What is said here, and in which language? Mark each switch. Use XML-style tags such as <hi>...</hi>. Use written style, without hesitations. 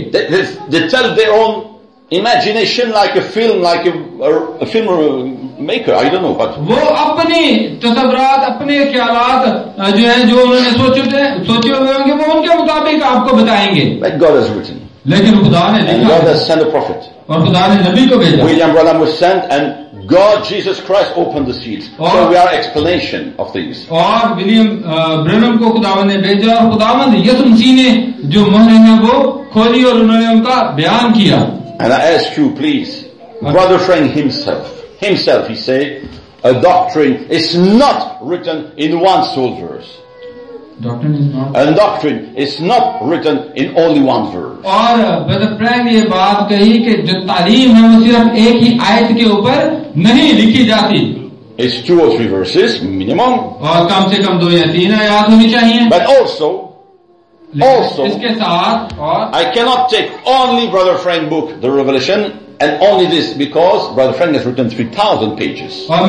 <en>They tell their own imagination like a film maker. I don't know but</en> <hi>वो अपनी तसव्वुरात अपने ख्याल जो है जो उन्होंने सोचे हुए होंगे वो उनके मुताबिक आपको बताएंगे.</hi> <en>God has written.</en> <hi>लेकिन खुदा ने लिखा.</hi> <en>God has sent a prophet.</en> <hi>और खुदा ने नबी को भेजा.</hi> <en>William Branham was sent and God, Jesus Christ, opened the seals. So we are explanation of things.</en> <hi>और विलियम ब्रैनम को खुदावंद ने भेजा और खुदावंद यीशु मसीह ने जो मोहर है वो खोली और उन्होंने उनका बयान किया.</hi> <en>And I ask you, please, brother Frank himself, he said, a doctrine is not written in one soul's verse. Doctrine is not written in only one verse.</en> <hi>और ब्रदर फ्रैंक ये बात कही कि जो तालीम है वो सिर्फ एक ही आयत के ऊपर नहीं लिखी जाती.</hi> <en>It's two or three verses minimum.</en> <hi>और कम से कम दो या तीन आयत होनी चाहिए.</hi> <en>But also, also, I cannot take only Brother Frank's book, The Revelation, and only this, because Brother Frank has written 3,000 pages.</en>